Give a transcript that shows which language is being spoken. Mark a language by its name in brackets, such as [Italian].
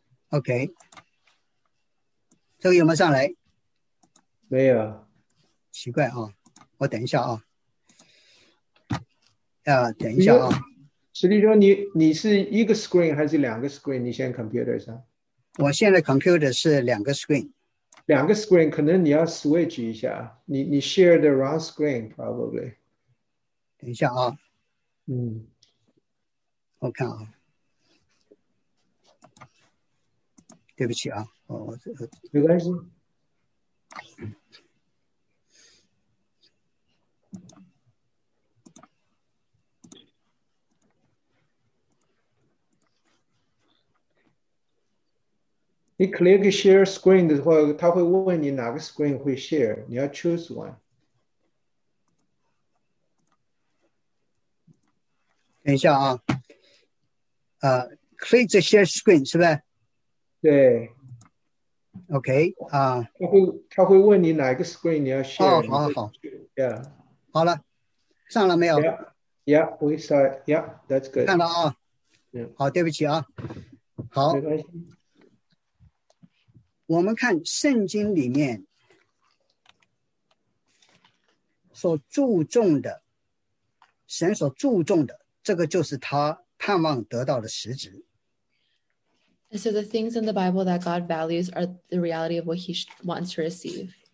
[Chinese] Okay。 这个有没有上来？没有，奇怪啊！我等一下啊，等一下啊。实际上你是一个 screen 还是两个 screen？ 你现在 computer 上？我现在 computer 是两个 screen。两个 screen 可能你要 switch 一下，你 [English] share the wrong screen probably。 [Chinese] 等一下啊，嗯，我看啊，对不起啊。没关系。你 click share screen 的话，他会问你哪个 screen 会 share， 你要 [English] choose one。 [Chinese] 等一下啊， [English] click the share screen [Chinese] 是吧？对。 OK 啊，他会问你哪个 screen 你要 share。哦，好好好 [English] ，Yeah， [Chinese] 好了，上了没有 [English] ？Yeah， we saw it. Yeah， that's good。 [Chinese] 看到啊，嗯，好，对不起啊，好，没关系。我们看圣经里面所注重的，神所注重的，这个就是他盼望得到的实质。 [English] And so the things in the Bible that God values are the reality of what he wants to receive.